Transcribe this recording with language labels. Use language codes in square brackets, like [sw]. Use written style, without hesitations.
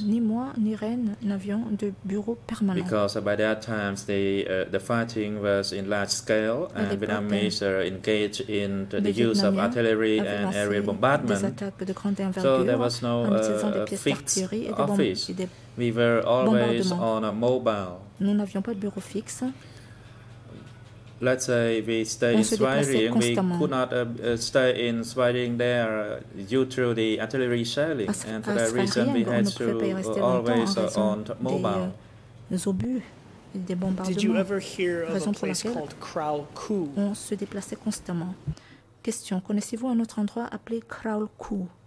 [fr] Ni moi ni Ren n'avions de bureau permanent. [en] Because by that time the fighting was in large scale and Vietnamese were engaged in the use of artillery and aerial bombardment. So there was no fixed office. We were always on a mobile. [fr] Nous n'avions pas de bureau fixe. [en] Let's say we stay in Zvirin, we could not stay in Zvirin there due to the artillery shelling, and for that reason we had to always on mobile. Did you ever hear of a place called Krau Ku? [fr] On se déplaçait constamment. Question, connaissez-vous un autre endroit appelé Krau Ku?